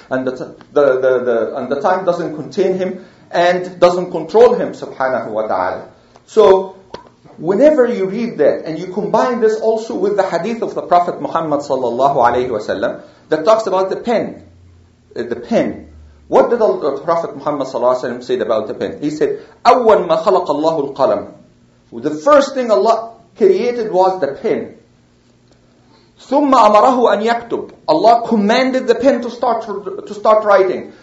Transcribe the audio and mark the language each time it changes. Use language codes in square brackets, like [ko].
[en] And the time doesn't contain Him. And doesn't control Him. Subhanahu wa ta'ala. So whenever you read that, and you combine this also with the hadith of the Prophet Muhammad sallallahu alayhi wa sallam, that talks about the pen. The pen. What did the Prophet Muhammad sallallahu alayhi wa sallam say about the pen? He said, [ar] أول ما خلق الله القلم. [en] The first thing Allah created was the pen. [ar] ثم أمره أن يكتب. [en] Allah commanded the pen to start writing.